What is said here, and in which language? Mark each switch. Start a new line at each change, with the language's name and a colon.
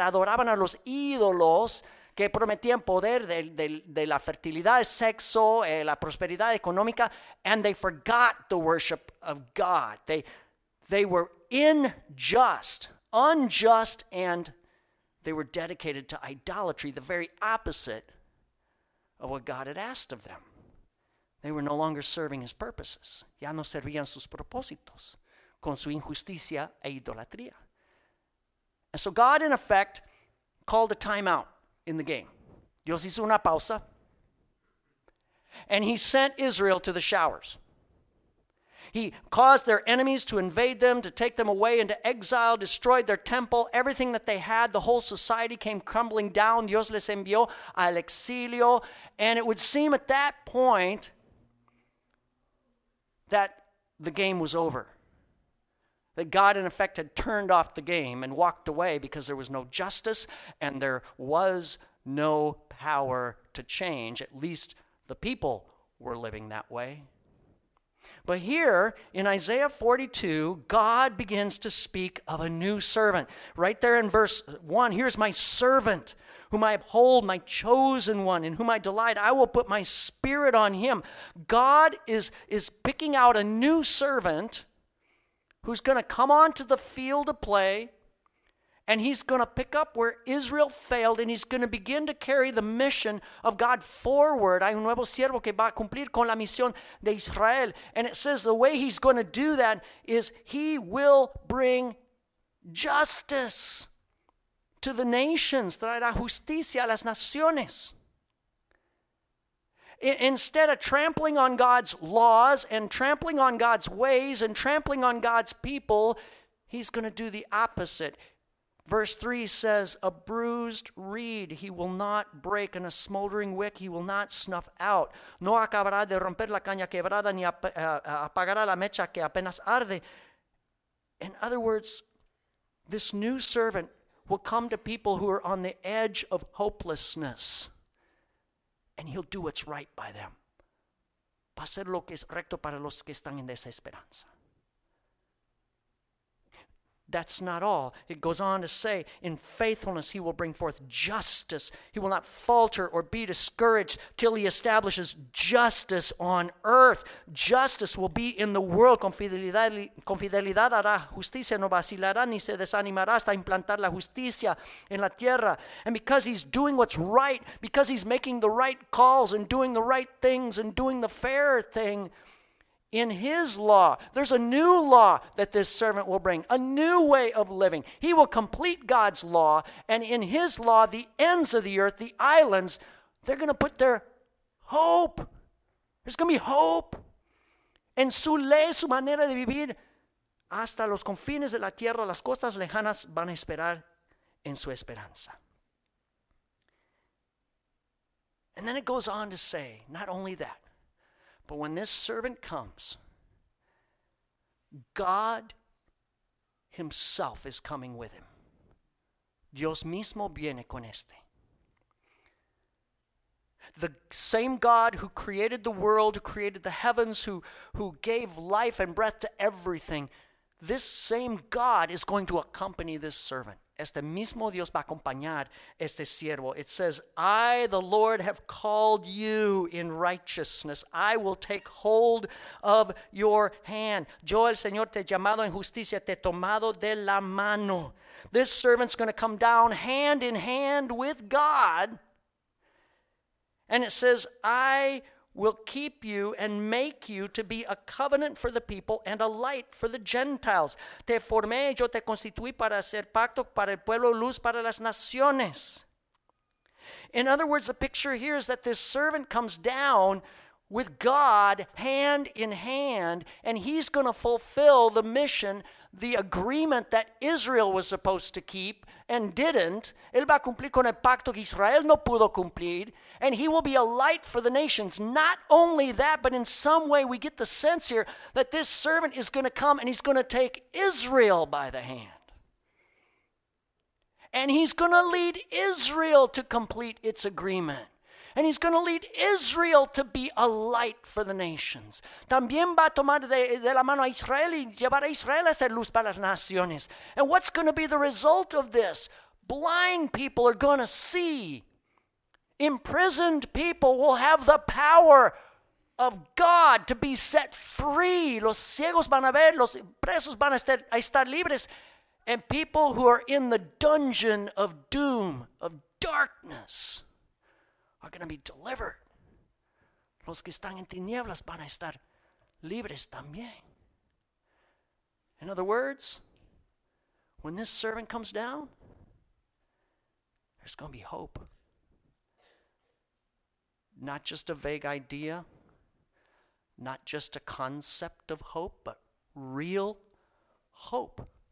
Spanish: Adoraban a los ídolos que prometían poder de la fertilidad, el sexo, la prosperidad económica,
English: and they forgot the worship of God. They were unjust, and they were dedicated to idolatry, the very opposite of what God had asked of them. They were no longer serving his purposes.
Spanish: Ya no servían sus propósitos con su injusticia e idolatría.
English: And so God, in effect, called a timeout in the game.
Spanish: Dios hizo una pausa.
English: And he sent Israel to the showers. He caused their enemies to invade them, to take them away into exile, destroyed their temple, everything that they had, the whole society came crumbling down.
Spanish: Dios les envió al exilio.
English: And it would seem at that point that the game was over. That God, in effect, had turned off the game and walked away because there was no justice and there was no power to change. At least the people were living that way. But here, in Isaiah 42, God begins to speak of a new servant. Right there in verse 1, here's my servant, whom I uphold, my chosen one, in whom I delight. I will put my spirit on him. God is picking out a new servant who's going to come onto the field of play, and he's going to pick up where Israel failed, and he's going to begin to carry the mission of God forward.
Spanish: Hay un nuevo siervo que va a cumplir con la misión de Israel.
English: And it says the way he's going to do that is he will bring justice to the nations,
Spanish: traerá justicia a las naciones.
English: Instead of trampling on God's laws and trampling on God's ways and trampling on God's people, he's going to do the opposite. Verse 3 says, a bruised reed he will not break, and a smoldering wick he will not snuff out.
Spanish: No acabará de romper la caña quebrada ni apagará la mecha que apenas arde.
English: In other words, this new servant will come to people who are on the edge of hopelessness, and he'll do what's right by them.
Spanish: Va a hacer lo que es recto para los que están en desesperanza.
English: that's not all. It goes on to say, in faithfulness, he will bring forth justice. He will not falter or be discouraged till he establishes justice on earth. Justice will be in the world.
Spanish: Con fidelidad hará justicia, no vacilará ni se desanimará hasta implantar la justicia en la tierra.
English: And because he's doing what's right, because he's making the right calls and doing the right things and doing the fair thing, in his law, there's a new law that this servant will bring, a new way of living. He will complete God's law, and in his law, the ends of the earth, the islands, they're going to put their hope. There's going to be hope.
Spanish: En su ley, su manera de vivir, hasta los confines de la tierra, las costas lejanas van a esperar en su esperanza.
English: And then it goes on to say, not only that, but when this servant comes, God himself is coming with him.
Spanish: Dios mismo viene con este.
English: The same God who created the world, who created the heavens, who gave life and breath to everything, this same God is going to accompany this servant.
Spanish: Este mismo Dios va a acompañar este siervo.
English: It says, I, the Lord, have called you in righteousness. I will take hold of your hand.
Spanish: Yo, el Señor, te he llamado en justicia, te he tomado de la mano.
English: This servant's going to come down hand in hand with God. And it says, I will keep you and make you to be a covenant for the people and a light for the Gentiles.
Spanish: Te formé, yo te constituí para hacer pacto para el pueblo, luz para las naciones.
English: In other words, the picture here is that this servant comes down with God hand in hand, and he's going to fulfill the mission, the agreement that Israel was supposed to keep and didn't.
Spanish: Él va a cumplir con el pacto que Israel no pudo cumplir,
English: and he will be a light for the nations. Not only that, but in some way we get the sense here that this servant is going to come and he's going to take Israel by the hand. And he's going to lead Israel to complete its agreement. And he's going to lead Israel to be a light for the nations.
Spanish: También va a tomar de la mano a Israel y llevar a Israel a ser luz para las naciones.
English: And what's going to be the result of this? Blind people are going to see. Imprisoned people will have the power of God to be set free.
Spanish: Los ciegos van a ver, los presos van a estar libres.
English: And people who are in the dungeon of doom, of darkness, are going to be delivered.
Spanish: Los que están en tinieblas van a estar libres también.
English: In other words, when this servant comes down, there's going to be hope. Not just a vague idea, not just a concept of hope, but real hope.